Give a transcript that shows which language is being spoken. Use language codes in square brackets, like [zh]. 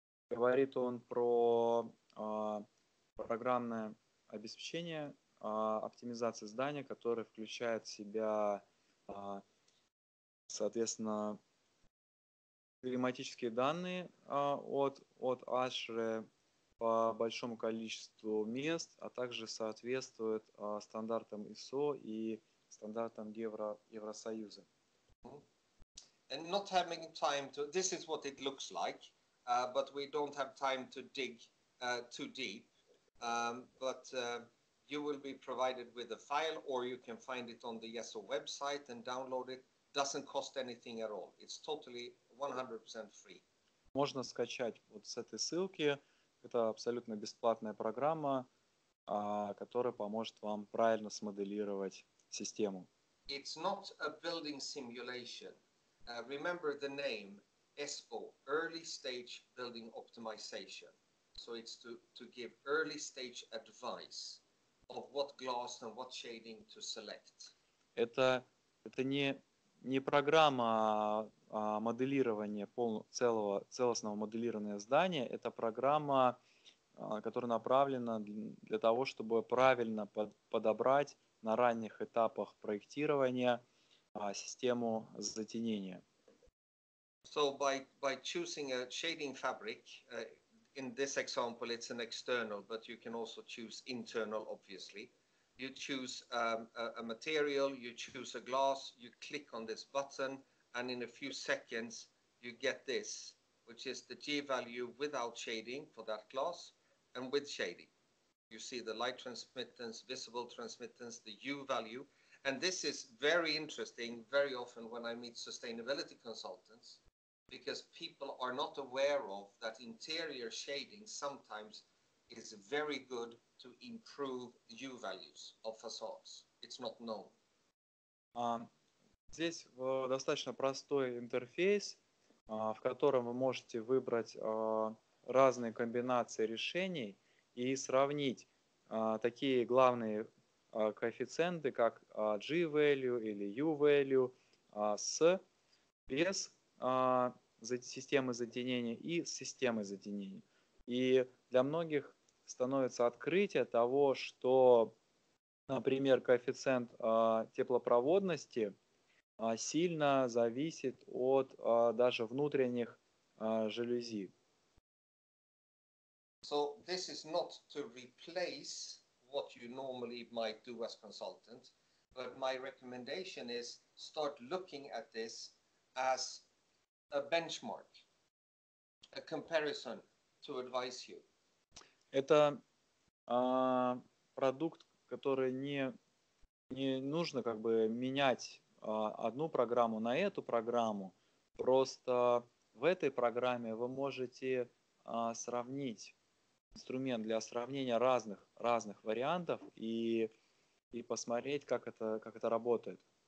[ru] Говорит он про программное обеспечение оптимизации здания, которое включает в себя, соответственно, климатические данные от ASHRAE по большому количеству мест, а также соответствует стандартам ISO и стандартам Евросоюза. [en] And not having time to... This is what it looks like. But we don't have time to dig too deep. But you will be provided with a file, or you can find it on the ESO website and download it. Doesn't cost anything at all. It's totally 100% free. [ru] Можно скачать вот с этой ссылки. Это абсолютно бесплатная программа, которая поможет вам правильно смоделировать систему. [en] It's not a building simulation. Remember the name. ESO, early stage building optimization. So it's to give early stage advice of what glass and what shading to select. [ru] Это не программа моделирования целостного моделирования здания. Это программа, которая направлена для того, чтобы правильно подобрать на ранних этапах проектирования систему затенения. [en] So by choosing a shading fabric, in this example, it's an external, but you can also choose internal, obviously. You choose a material, you choose a glass, you click on this button, and in a few seconds, you get this, which is the G value without shading for that glass and with shading. You see the light transmittance, visible transmittance, the U value. And this is very interesting, very often when I meet sustainability consultants, because people are not aware of that interior shading sometimes is very good to improve U values of facades. It's not known. [ru] Здесь достаточно простой интерфейс, в котором вы можете выбрать разные комбинации решений и сравнить такие главные коэффициенты, как G-value или U-value, без системы затенения и с системой затенения. И для многих становится открытие того, что, например, коэффициент теплопроводности сильно зависит от даже внутренних жалюзи. [en] So this is not to replace what you normally might do as consultant, but my recommendation is start looking at this as a benchmark, a comparison to advise you. [ru] Это продукт, который не нужно как бы менять одну программу на эту программу. Просто в этой программе вы можете сравнить инструмент для сравнения разных вариантов и посмотреть, как это работает.